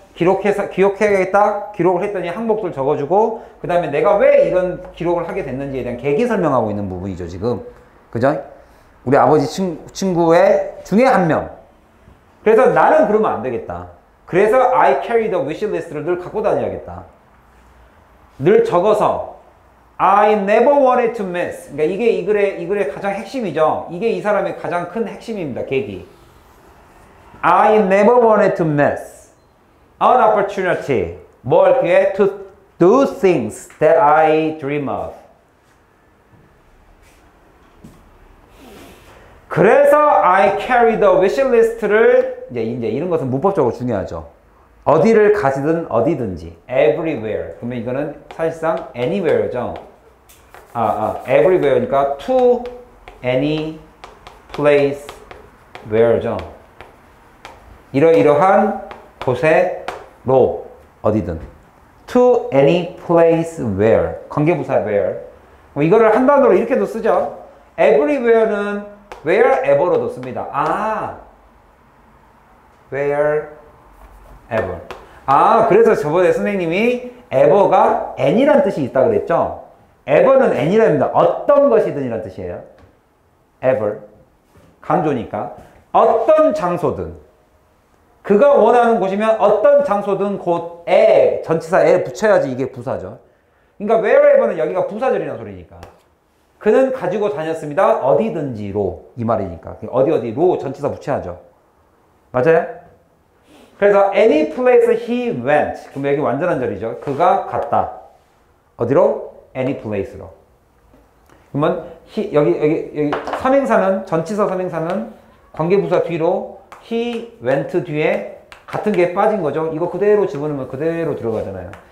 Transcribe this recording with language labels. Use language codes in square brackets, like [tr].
[ko] 기억해야겠다? 기록을 했더니 항목들 적어주고, 그 다음에 내가 왜 이런 기록을 하게 됐는지에 대한 계기 설명하고 있는 부분이죠, 지금. 그죠? 우리 아버지 친구의 중에 한 명. 그래서 나는 그러면 안 되겠다. [en] 그래서 I carry the wish list를 [ko] 늘 갖고 다녀야겠다. 늘 적어서 [en] I never wanted to miss. [ko] 그러니까 이게 이 글의 가장 핵심이죠. 이게 이 사람의 가장 큰 핵심입니다. 계기. [en] I never wanted to miss. an opportunity. [ko] 뭘 기회? [en] To do things that I dream of. [ko] 그래서 [en] I carry the wish list [ko] 를 이제 이런 것은 문법적으로 중요하죠. 어디를 가지든 어디든지 everywhere. 그러면 이거는 사실상 anywhere죠. everywhere니까 to any place where죠. 이러이러한 곳에로 어디든 to any place where 관계부사 where. 이거를 한 단어로 이렇게도 쓰죠. everywhere는 wherever로도 씁니다. 아, wherever. 아, 그래서 저번에 선생님이 ever가 any란 뜻이 있다 그랬죠? ever는 any랍니다. 어떤 것이든이란 뜻이에요. ever. 강조니까. 어떤 장소든. 그가 원하는 곳이면 어떤 장소든 곧에, 전치사에 붙여야지 이게 부사죠. 그러니까 wherever는 여기가 부사절이라는 소리니까. 그는 가지고 다녔습니다. 어디든지로. 이 말이니까. 어디어디로 전치사 붙여야죠. 맞아요? 그래서 [en] any place he went. [ko] 그럼 여기 완전한 절이죠. 그가 갔다. 어디로? any place로. 그러면 여기 삼행사는 전치사 삼행사는 관계부사 뒤로 he went 뒤에 같은 게 빠진 거죠. 이거 그대로 집어넣으면 그대로 들어가잖아요.